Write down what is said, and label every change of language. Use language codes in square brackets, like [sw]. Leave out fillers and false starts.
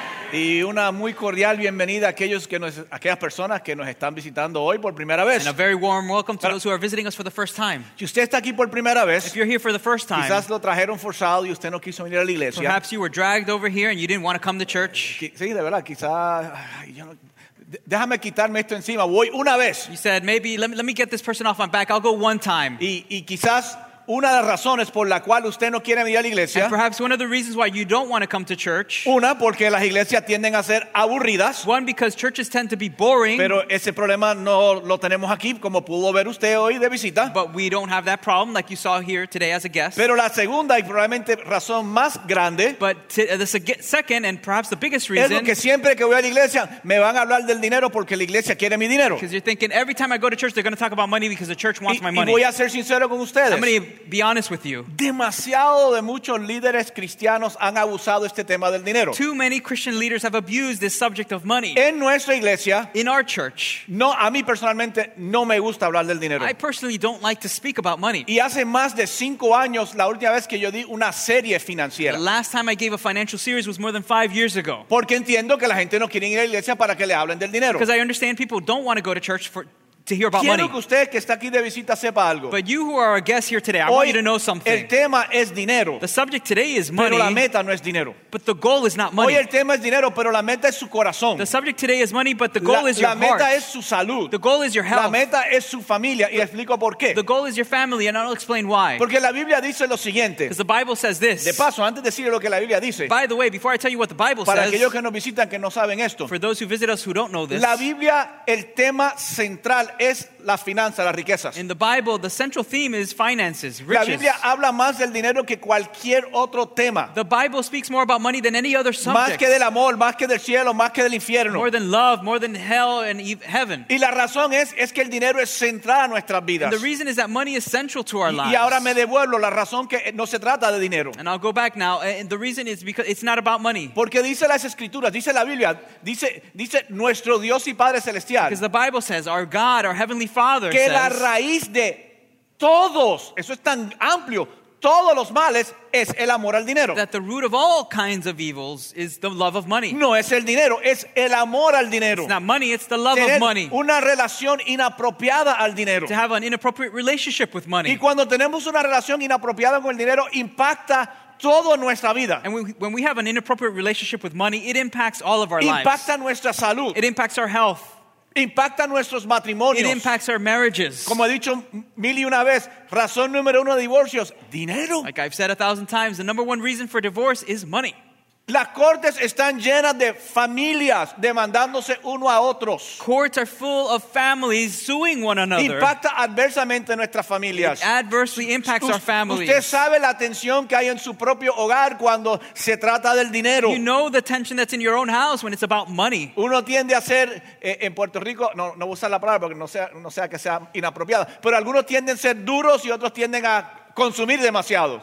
[es] Y una muy cordial bienvenida a aquellos que nos aquellas personas que nos están visitando hoy por primera vez. [en] And a very warm welcome to those who are visiting us for the first time. [es] Si usted está aquí por primera vez, [en] if you're here for the first time, [es] quizás lo trajeron forzado y usted no quiso venir a la iglesia. [en] Perhaps you were dragged over here and you didn't want to come to church. [es] Sí, de verdad, quizás yo no. Déjame quitarme esto encima. Voy una vez. [en] He said, maybe let me get this person off my back. I'll go one time. [es] Y quizás una de las razones por la cual usted no quiere venir a la iglesia. [en] And perhaps one of the reasons why you don't want to come to church. [es] Una, porque las iglesias tienden a ser aburridas. [en] One, because churches tend to be boring. [es] Pero ese problema no lo tenemos aquí, como pudo ver usted hoy de visita. [en] But we don't have that problem like you saw here today as a guest. [es] Pero la segunda y probablemente razón más grande. [en] But the second and perhaps the biggest reason. [es] Es lo que siempre que voy a la iglesia me van a hablar del dinero porque la iglesia quiere mi dinero. [en] Because you're thinking every time I go to church they're going to talk about money because the church wants my money. [es] Y voy a ser sincero con ustedes. [en] Be honest with you. [es] Demasiado de muchos líderes cristianos han abusado este tema del dinero. [en] Too many Christian leaders have abused this subject of money. [es] En nuestra iglesia, [en] in our church, [es] no, a mí personalmente no me gusta hablar del dinero. [en] I personally don't like to speak about money. [es] Y hace más de 5 años la última vez que yo di una serie financiera. [en] The last time I gave a financial series was more than 5 years ago. [es] Porque entiendo que la gente no quiere ir a la iglesia para que le hablen del dinero. [en] Because I understand people don't want to go to church to hear about [es] quiero [en] money. [es] Que usted que está aquí de visita sepa algo. [en] But you who are a guest here today, [es] hoy, [en] I want you to know something. [es] El tema es dinero. [en] The subject today is money. [es] Pero la meta no es dinero. [en] But the goal is not money. [es] Hoy el tema es dinero, pero la meta es su corazón. [en] The subject today is money, but the goal [es] la, [en] is your [es] la meta [en] heart. [es] Es su salud. [en] The goal is your health. [es] La meta es su familia, y explico por qué. [en] The goal is your family, and I'll explain why. [es] Porque la Biblia dice lo siguiente. [en] Because the Bible says this. [es] De paso, antes de decir lo que la Biblia dice. [en] By the way, before I tell you what the Bible [es] para [en] says. [es] Para aquellos que nos visitan que no saben esto. [en] For those who visit us who don't know this. [es] La Biblia, el tema central es las finanzas, las riquezas. [en] In the Bible, the central theme is finances, riches. [es] La Biblia habla más del dinero que cualquier otro tema. [en] The Bible speaks more about money than any other subject. [es] Más que del amor, más que del cielo, más que del infierno. [en] More than love, more than hell and heaven. [es] Y la razón es que el dinero es central a nuestras vidas. [en] And the reason is that money is central to our lives. [es] Y ahora me devuelvo la razón que no se trata de dinero. [en] And I'll go back now. And the reason is because it's not about money. [es] Porque dice las escrituras, dice la Biblia, dice nuestro Dios y Padre celestial. [en] Because the Bible says our God, our Heavenly Father [es] que [en] says, [es] la raíz de todos, eso es tan amplio, todos los males es el amor al dinero. [en] That the root of all kinds of evils is the love of money. [es] No es el dinero, es el amor al dinero. [en] It's not money, it's the love [es] tener [en] of money. [es] Una relación inapropiada al dinero. [en] To have an inappropriate relationship with money. [es] Y cuando tenemos una relación inapropiada con el dinero, impacta todo en nuestra vida. [en] And when we have an inappropriate relationship with money, it impacts all of our [es] impacta [en] lives. [es] Impacta nuestra salud. [en] It impacts our health. [es] Impacta nuestros matrimonios. [en] It impacts our marriages. [es] Como he dicho mil y una vez, razón número uno de divorcios, dinero. [en] Like I've said 1,000 times, the number one reason for divorce is money. [es] Las cortes están llenas de familias demandándose uno a otros. [en] Courts are full of families suing one another. [es] Impacta adversamente nuestras familias. [en] It adversely impacts our families. [es] Usted sabe la tensión que hay en su propio hogar cuando se trata del dinero. [en] You know the tension that's in your own house when it's about money. [es] Uno tiende a ser en Puerto Rico, no usar la palabra porque no sea que sea inapropiada, pero algunos tienden a ser duros y otros tienden a consumir demasiado.